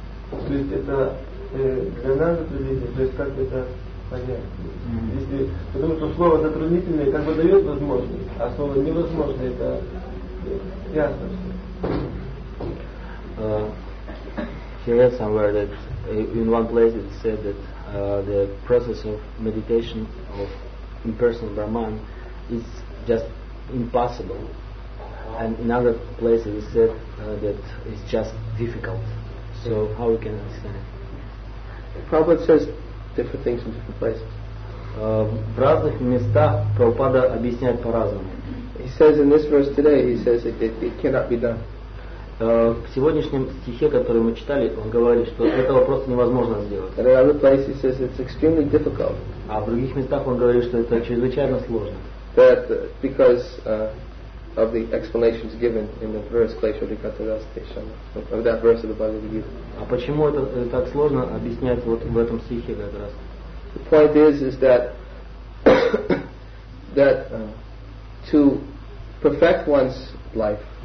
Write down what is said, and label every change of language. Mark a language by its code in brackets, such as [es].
[ru] То есть это для нас затруднительно, то есть как это понять? Если, потому что слово затруднительное как бы дает возможность, а слово невозможное это ясно все. [en] He read somewhere that in one place it said that the process of meditation of impersonal Brahman is just impossible, and in other places it said that it's just difficult. So how we can understand it? Prabhupada says different things in different places. [ru] В разных местах Прабхупада объясняет по-разному. [en] He says in this verse today, he says it cannot be done. [ru] В сегодняшнем стихе, который мы читали, он говорит, что этого просто невозможно сделать. [en] In other places he says it's extremely difficult. [ru] А в других местах он говорит, что это чрезвычайно сложно. [en] That because of the explanations given in the verse Kleshodikatadastishana, of that verse of the Bhagavad Gita. [ru] А почему это так сложно объяснять вот в этом стихе как раз? [en] The point is that that to perfect one's life.